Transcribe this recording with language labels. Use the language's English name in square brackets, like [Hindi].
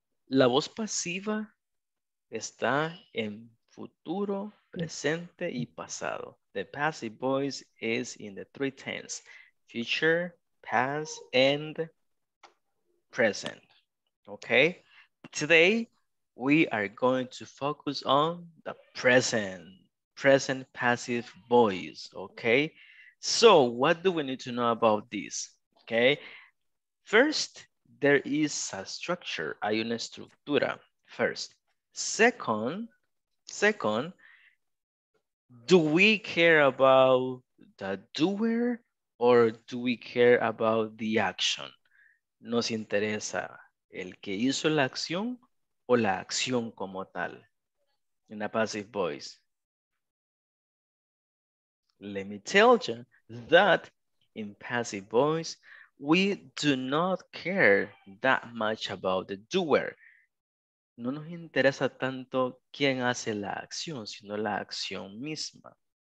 [Spanish] La voz pasiva está en futuro, presente y pasado. [English] The passive voice is in the three tense: future, past, and present. Okay, today we are going to focus on the present passive voice. Okay, so what do we need to know about this? Okay, first, there is a structure, [Spanish] hay una estructura, [English] first. Second, do we care about the doer or do we care about the action? [Spanish] Nos interesa el que hizo la acción o la acción como tal. [English] In a passive voice. Let me tell you that in passive voice, we do not care that much about the doer. [Spanish] No nos interesa tanto quién hace la acción, sino la acción misma.